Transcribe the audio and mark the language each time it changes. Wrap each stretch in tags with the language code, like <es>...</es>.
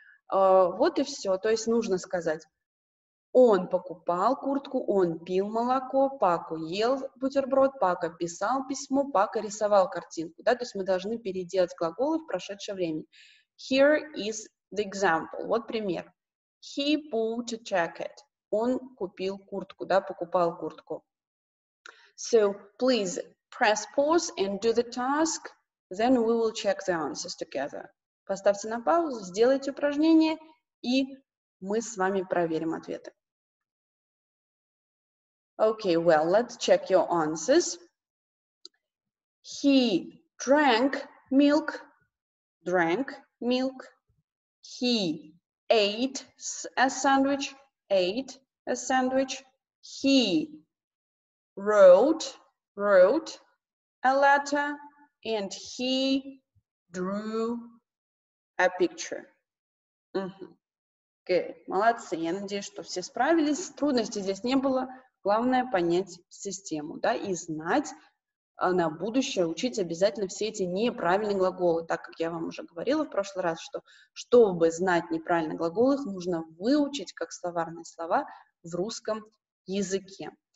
<ru>Вот и все. То есть нужно сказать он покупал куртку, он пил молоко, Пако ел бутерброд, Пако писал письмо, Пако рисовал картинку, да? То есть мы должны переделать глаголы в прошедшее время.</ru> <en>Here is the example. Вот пример. He bought a jacket.</en> <ru>Он купил куртку, да, покупал куртку.</ru> <en>So, please press pause and do the task, then we will check the answers together.</en> <ru>Поставьте на паузу, сделайте упражнение, и мы с вами проверим ответы.</ru> <en>Okay, well, let's check your answers. He drank milk. Drank milk. He ate a sandwich. Ate a sandwich. He wrote a letter, and he drew a picture.</en> <ru>Okay, молодцы. Я надеюсь, что все справились. Трудностей здесь не было. Главное понять систему, да, и знать на будущее, учить обязательно все эти неправильные глаголы, так как я вам уже говорила в прошлый раз, что чтобы знать неправильные глаголы, их нужно выучить как словарные слова в русском языке.</ru>